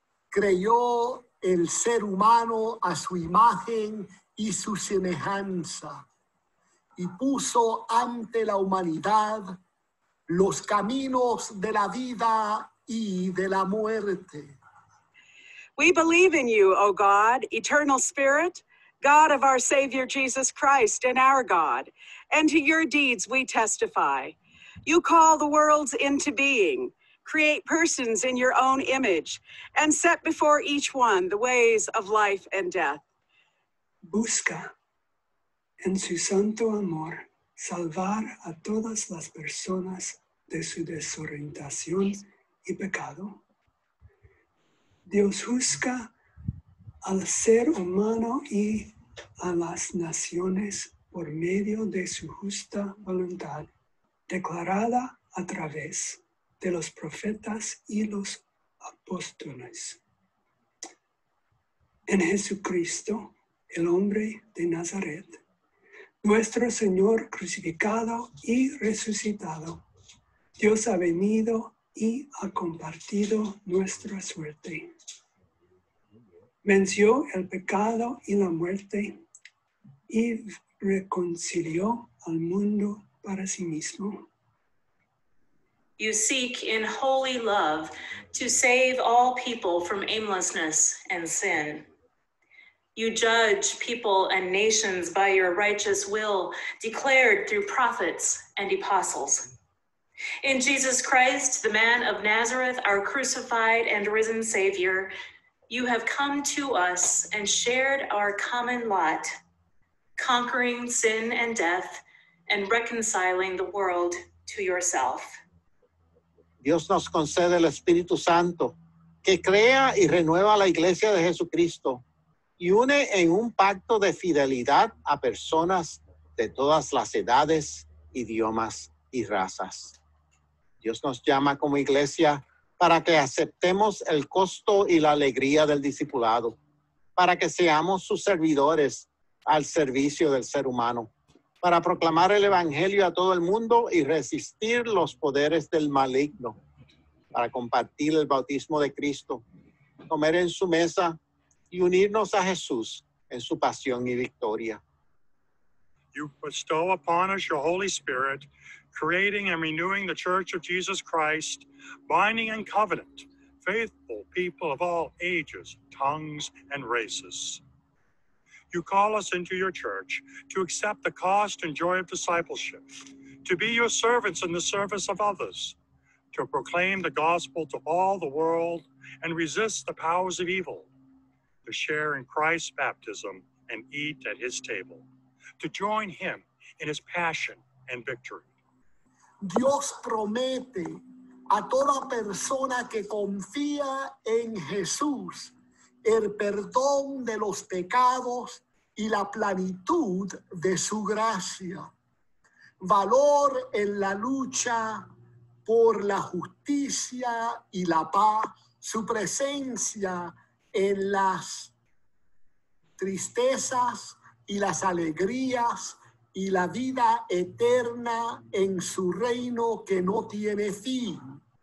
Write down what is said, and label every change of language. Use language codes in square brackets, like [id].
[es] Creó el ser humano a su imagen y su semejanza. Y puso ante la humanidad los caminos de la vida y de la muerte. [en] We believe in you, O God, eternal spirit, God of our Savior Jesus Christ and our God, and to your deeds we testify. You call the worlds into being, create persons in your own image, and set before each one the ways of life and death. [es] Busca en su santo amor salvar a todas las personas de su desorientación y pecado. Dios juzga al ser humano y a las naciones por medio de su justa voluntad, declarada a través de los profetas y los apóstoles. En Jesucristo, el hombre de Nazaret, nuestro Señor crucificado y resucitado, Dios ha venido y ha compartido nuestra suerte. Venció el pecado y la muerte y reconcilió al mundo para sí mismo. [en] You seek in holy love to save all people from aimlessness and sin. You judge people and nations by your righteous will, declared through prophets and apostles. In Jesus Christ, the man of Nazareth, our crucified and risen Savior, you have come to us and shared our common lot, conquering sin and death and reconciling the world to yourself. [es] Dios nos concede el Espíritu Santo, que crea y renueva la Iglesia de Jesucristo y une en un pacto de fidelidad a personas de todas las edades, idiomas y razas. Dios nos llama como iglesia para que aceptemos el costo y la alegría del discipulado, para que seamos sus servidores al servicio del ser humano, para proclamar el evangelio a todo el mundo y resistir los poderes del maligno, para compartir el bautismo de Cristo, comer en su mesa y unirnos a Jesús en su pasión y victoria. [en] You bestow upon us your Holy Spirit, creating and renewing the Church of Jesus Christ, binding in covenant, faithful people of all ages, tongues, and races. You call us into your church to accept the cost and joy of discipleship, to be your servants in the service of others, to proclaim the gospel to all the world and resist the powers of evil, to share in Christ's baptism and eat at his table, to join him in his passion and victory. [es] Dios promete a toda persona que confía en Jesús el perdón de los pecados y la plenitud de su gracia. Valor en la lucha por la justicia y la paz, su presencia en las tristezas y las alegrías, y la vida eterna en su reino que no tiene fin.